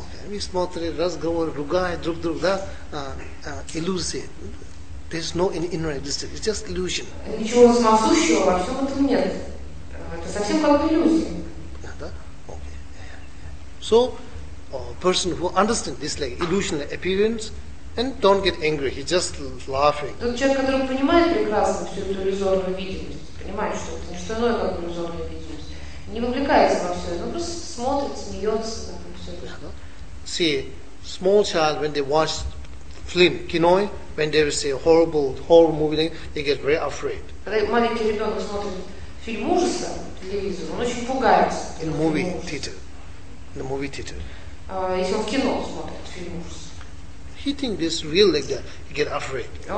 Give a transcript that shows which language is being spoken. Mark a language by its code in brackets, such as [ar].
[ru] Мы смотрим разговор, ругаем друг друга, да? Иллюзии. [en] There's no inner existence. It's just illusion. [ru] Ничего самосущего во всем этом нет. Это совсем как иллюзия. Понятно, да? Okay. [en] So, person who understands this like illusional appearance, and don't get angry, he's just laughing. [ru] Тот человек, который понимает прекрасно всю эту иллюзорную видимость, понимает, что это не что иное, как иллюзорная видимость, не вовлекается во все это, он просто смотрит, смеется, так, все это. [en] See, small child, when they watch film, кино, when there is a horrible horror movie, they get very afraid. [ru] Когда маленький ребенок смотрит фильм ужаса по телевизору, он очень пугается. [en] In the movie theater. [ru] Если он в кино смотрит фильм ужаса. [en] He thinks this real like that, he gets afraid.